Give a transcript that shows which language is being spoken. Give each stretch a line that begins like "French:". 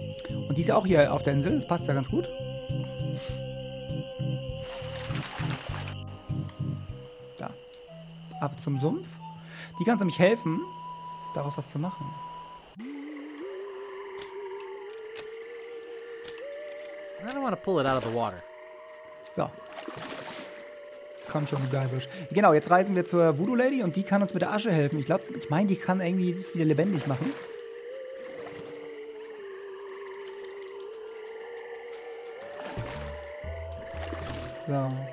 German: Und die ist ja auch hier auf der Insel, das passt ja ganz gut. Da. Ab zum Sumpf. Die kann nämlich helfen, daraus was zu machen.
English: I don't want to pull it out of the water.
German: So. Komm schon, du Guybrush. Genau, jetzt reisen wir zur Voodoo Lady und die kann uns mit der Asche helfen. Ich glaube, ich meine, die kann irgendwie das wieder lebendig machen. So.